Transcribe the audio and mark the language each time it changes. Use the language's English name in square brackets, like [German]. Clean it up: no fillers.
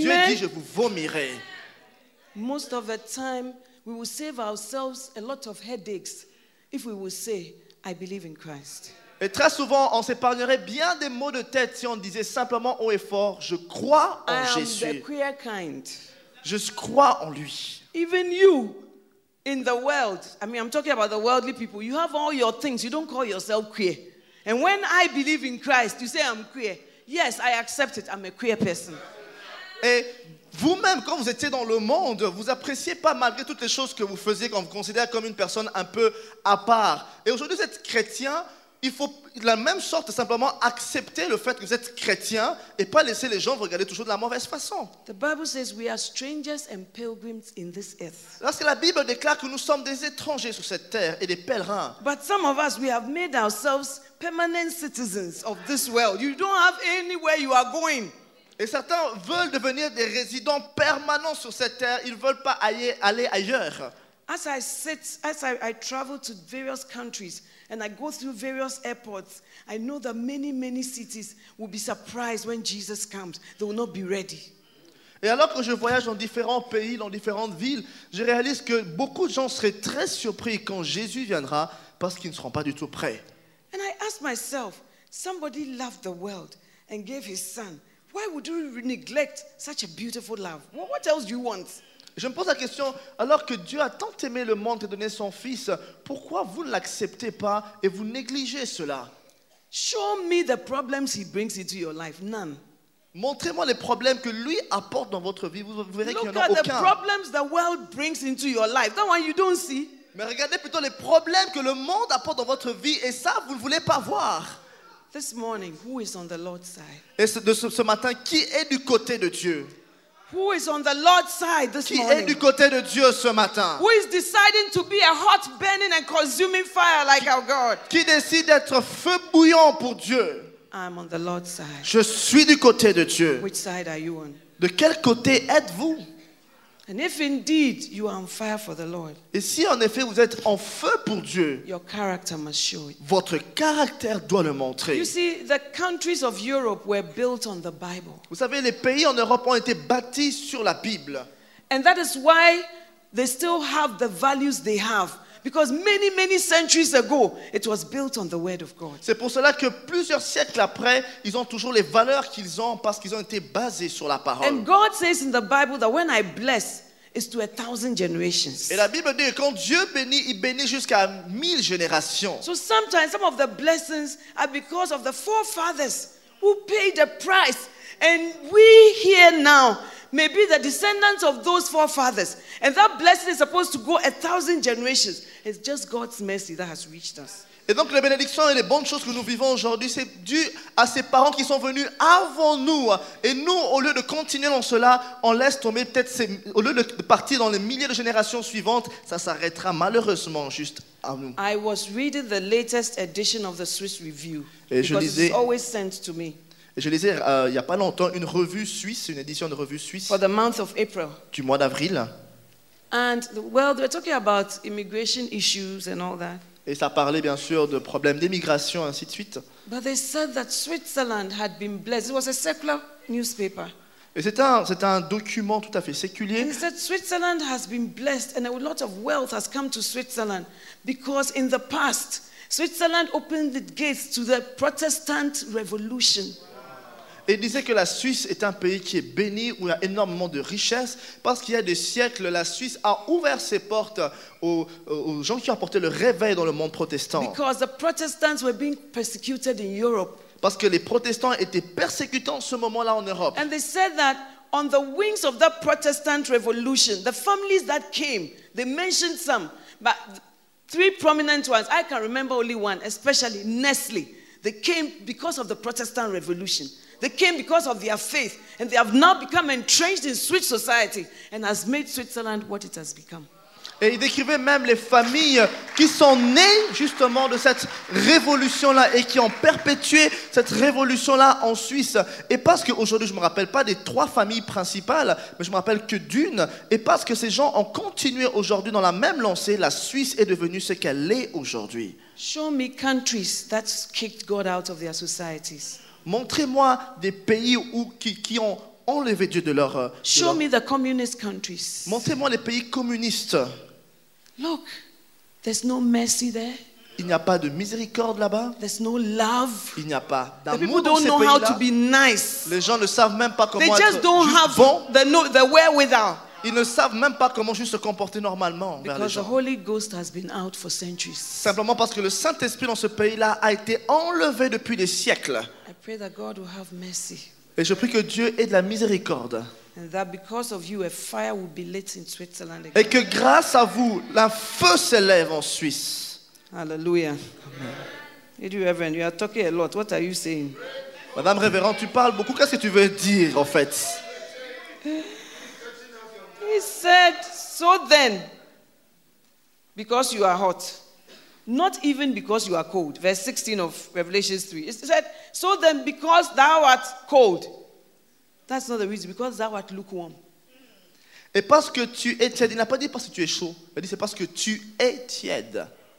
[French] Dieu dit je vous vomirai. [English] Most of the time, we will save ourselves a lot of headaches if we will say I believe in Christ. [French] Et très souvent, on s'épargnerait bien des maux de tête si on disait simplement haut et fort, je crois en Jésus. [English] The queer kind. [French] Je crois en lui. [English] Even you, in the world, I mean, I'm talking about the worldly people, you have all your things, you don't call yourself queer. And when I believe in Christ, you say I'm queer. Yes, I accept it, I'm a queer person. [French] Et vous-même, quand vous étiez dans le monde, vous appréciez pas malgré toutes les choses que vous faisiez, quand vous considérez comme une personne un peu à part. Et aujourd'hui, vous êtes chrétien. Il faut de la même sorte simplement accepter le fait que vous êtes chrétien et pas laisser les gens vous regarder toujours de la mauvaise façon. [English] The Bible says we are strangers and pilgrims in this earth. [French] Parce que la Bible déclare que nous sommes des étrangers sur cette terre et des pèlerins. [English] But some of us, we have made ourselves permanent citizens of this world. You don't have anywhere you are going. [French] Et certains veulent devenir des résidents permanents sur cette terre. Ils ne veulent pas aller ailleurs. [English] As I sit, as I travel to various countries and I go through various airports, I know that many, many cities will be surprised when Jesus comes. They will not be ready. [French] Et alors que je voyage dans différents pays, dans différentes villes, je réalise que beaucoup de gens seraient très surpris quand Jésus viendra parce qu'ils ne seront pas du tout prêts. [English] And I ask myself, somebody loved the world and gave his son. Why would you neglect such a beautiful love? What else do you want? [French] Je me pose la question, alors que Dieu a tant aimé le monde et donné son Fils, pourquoi vous ne l'acceptez pas et vous négligez cela? [English] Show me the problems he brings into your life. None. [French] Montrez-moi les problèmes que lui apporte dans votre vie. Vous verrez [English] look [French] qu'il n'y en a [English] at [French] aucun. [English] The problems the world brings into your life. That one you don't see. [French] Mais regardez plutôt les problèmes que le monde apporte dans votre vie et ça, vous ne voulez pas voir. [English] This morning, who is on the Lord's side? [French] Et ce matin, qui est du côté de Dieu? [English] Who is on the Lord's side this [French] qui [English] morning? [French] Est du côté de Dieu ce matin? [English] Who is deciding to be a hot burning and consuming fire like our God? [French] Qui décide d'être feu bouillant pour Dieu? [English] I'm on the Lord's side. [French] Je suis du côté de Dieu. [English] Which side are you on? [French] De quel côté êtes-vous? [English] And if indeed you are on fire for the Lord. [French] Et si en effet vous êtes en feu pour Dieu. [English] Your character must show it. [French] Votre caractère doit le montrer. [English] You see, the countries of Europe were built on the Bible. [French] Vous savez, les pays en Europe ont été bâtis sur la Bible. [English] And that is why they still have the values they have. Because many, many centuries ago, it was built on the word of God. [French] C'est pour cela que plusieurs siècles après, ils ont toujours les valeurs qu'ils ont parce qu'ils ont été basés sur la parole. [English] And God says in the Bible that when I bless, it's to 1,000 generations. [French] Et la Bible dit que quand Dieu bénit, il bénit jusqu'à 1,000 générations. [English] So sometimes some of the blessings are because of the forefathers who paid the price And we here now may be the descendants of those forefathers. And that blessing is supposed to go 1,000 generations. It's just God's mercy that has reached us. [French] Et donc les bénédictions et les bonnes choses que nous vivons aujourd'hui, c'est dû à ces parents qui sont venus avant nous. Et nous, au lieu de continuer dans cela, on laisse tomber peut-être, au lieu de partir dans les milliers de générations suivantes, ça s'arrêtera malheureusement juste à nous. [English] I was reading the latest edition of the Swiss Review. [French] Et je lisais, [English] because it's always sent to me. [French] Et je lisais il n'y a pas longtemps une revue suisse, une édition de revue suisse. [English] For the month of April. [French] Du mois d'avril. [English] And well, they're talking about immigration issues and all that. [French] Et ça parlait bien sûr de problèmes d'immigration, ainsi de suite. [English] But they said that Switzerland had been blessed. It was a secular newspaper. [French] Et c'est un document tout à fait séculier. [English] And they said Switzerland has been blessed, and a lot of wealth has come to Switzerland because in the past Switzerland opened the gates to the Protestant Revolution. [French] Et disait que la Suisse est un pays qui est béni, où il y a énormément de richesses, parce qu'il y a des siècles, la Suisse a ouvert ses portes aux gens qui ont apporté le réveil dans le monde protestant. [English] Because the Protestants were being persecuted in Europe. [French] Parce que les protestants étaient persécutés en ce moment-là en Europe. [English] And they said that on the wings of that Protestant Revolution, the families that came, they mentioned some, but three prominent ones, I can remember only one, especially Nestle, they came because of the Protestant Revolution. They came because of their faith, and they have now become entrenched in Swiss society, and has made Switzerland what it has become. [French] Et il décrivait même les familles qui sont nées justement de cette révolution-là et qui ont perpétué cette révolution-là en Suisse. Et parce qu'aujourd'hui, je ne me rappelle pas des trois familles principales, mais je me rappelle que d'une. Et parce que ces gens ont continué aujourd'hui dans la même lancée, la Suisse est devenue ce qu'elle est aujourd'hui. [English] Show me countries that kicked God out of their societies. [French] Montrez-moi des pays qui ont enlevé Dieu de leur. [English] Show me the communist countries. [French] Montrez-moi les pays communistes. [English] Look, there's no mercy there. [French] Il n'y a pas de miséricorde là-bas. [English] There's no love. [French] Il n'y a pas d'amour dans ces pays-là. [English] The people don't know how to be nice. [French] Les gens ne savent même pas comment être bon. [English] They just don't have the wherewithal. [French] Ils ne savent même pas comment juste se comporter normalement envers les gens. [English] Because the Holy Ghost has been out for centuries. [French] Simplement parce que le Saint-Esprit dans ce pays-là a été enlevé depuis des siècles. [English] Pray that God will have mercy. [French] Et je prie que Dieu ait de la miséricorde. [English] And that because of you, a fire will be lit in Switzerland again. [French] Et que grâce à vous, la feu s'élève en Suisse. [English] Hallelujah. Amen. Did you, Reverend, you are talking a lot. What are you saying? [French] Madame Révérend, tu parles beaucoup. Qu'est-ce que tu veux dire, en fait? [English] He said, so then, because you are hot. Not even because you are cold. Verse 16 of Revelation 3. It said, so then because thou art cold. That's not the reason. Because thou art lukewarm. [French] Et parce que tu es tiède. Il n'a pas dit parce que tu es chaud. Il a dit c'est parce que tu es tiède.